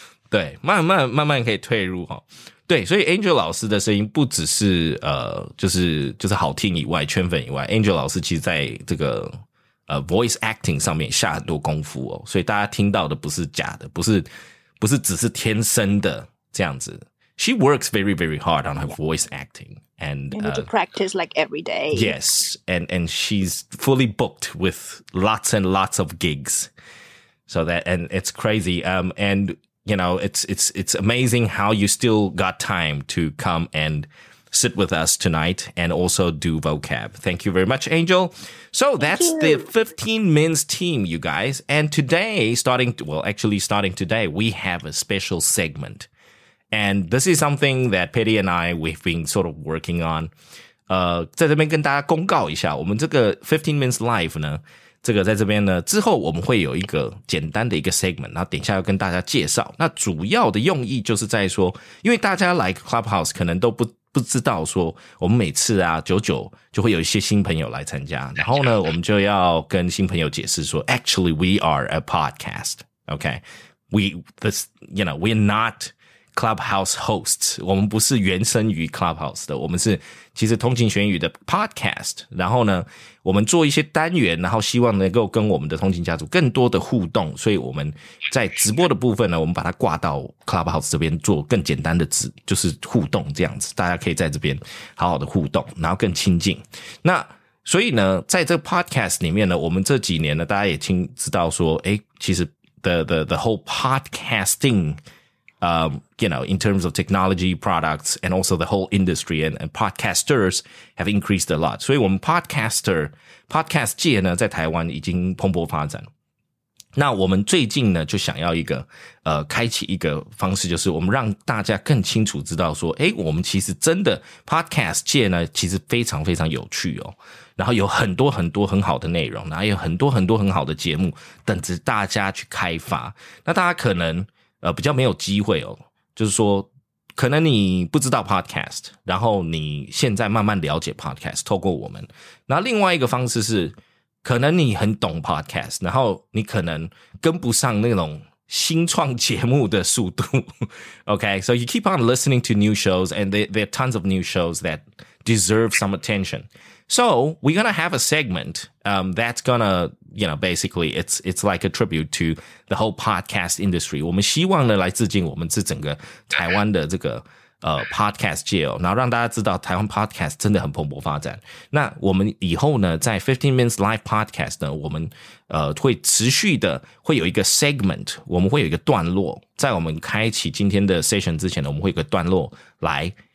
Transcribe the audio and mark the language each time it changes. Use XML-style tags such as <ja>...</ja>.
<zh>对，慢慢慢慢可以退入。对，所以 Angel 老师的声音不只是就是好听以外，圈粉以外， Angel 老师其实在这个voice acting 上面下很多功夫哦。所以大家听到的不是假的，不是只是天生的。这样子</zh> <en>She works very, very hard on her voice acting. And you need to practice like every day. Yes. And she's fully booked with lots and lots of gigs. So that, and it's crazy. And you know, it's amazing how you still got time to come and sit with us tonight and also do vocab. Thank you very much, Angel. So that's the 15 Minutes team, you guys. And today, starting today, we have a special segment. And this is something that Patty and I, we've been sort of working on.</en> <zh>在这边跟大家公告一下，我们这个15 Minutes Live 呢，这个在这边呢，之后我们会有一个简单的一个 segment, 然后等一下要跟大家介绍。那主要的用意就是在说，因为大家来 Clubhouse 可能都不知道说，我们每次啊，久久就会有一些新朋友来参加，然后呢，我们就要跟新朋友解释说 ,</zh> <en>actually, we are a podcast. Okay. We're not</en> <zh>Clubhouse host， 我们不是原生于 Clubhouse 的，我们是其实通勤学英语的 podcast， 然后呢我们做一些单元，然后希望能够跟我们的通勤家族更多的互动，所以我们在直播的部分呢，我们把它挂到 Clubhouse 这边做更简单的就是互动，这样子大家可以在这边好好的互动，然后更亲近。那所以呢在这个 podcast 里面呢，我们这几年呢大家也听知道说，诶，其实</zh> <en>the whole podcasting you know, in terms of technology products and also the whole industry and podcasters have increased a lot.</en> <zh>所以我们 podcast 界呢在台湾已经蓬勃发展。那我们最近呢就想要一个开启一个方式，就是我们让大家更清楚知道说，诶，我们其实真的 podcast 界呢其实非常非常有趣哦。然后有很多很多很好的内容，然后有很多很多很好的节目等着大家去开发。那大家可能比较没有机会哦，就是说可能你不知道 podcast， 然后你现在慢慢了解 podcast 透过我们。那另外一个方式是可能你很懂 podcast， 然后你可能跟不上那种新创节目的速度。</zh> <en>Okay, so you keep on listening to new shows and there are tons of new shows that deserve some attention. So we're gonna have a segment, that's gonna, you know, basically it's like a tribute to the whole podcast industry.</en> <zh>我们希望呢来致敬我们是整个台湾的这个podcast 界哦，然后让大家知道台湾 podcast 真的很蓬勃发展。那我们以后呢在 15 Minutes Live Podcast 呢，我们会持续的会有一个 segment， 我们会有一个段落，在我们开启今天的 session 之前呢，我们会有一个段落来</zh>